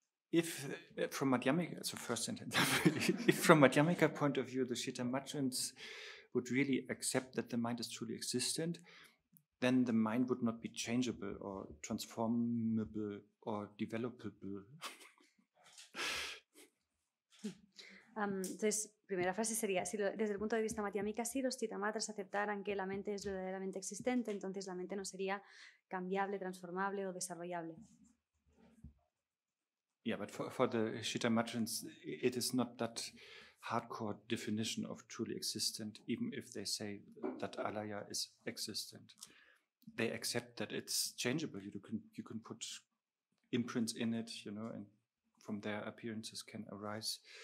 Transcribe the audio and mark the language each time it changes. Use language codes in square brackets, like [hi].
[en] If from madhyamika point of view, the chitta matrins would really accept that the mind is truly existent, then the mind would not be changeable or transformable or developable. [es] Entonces, primera frase sería, si desde el punto de vista matiámica, si los chitamatras aceptaran que la mente es verdaderamente existente, entonces la mente no sería cambiable, transformable o desarrollable. [en] Yeah, but for the chitamatrans, it is not that hardcore definition of truly existent, even if they say that alaya is existent. They accept that it's changeable. You can put imprints in it, you know, and from there appearances can arise.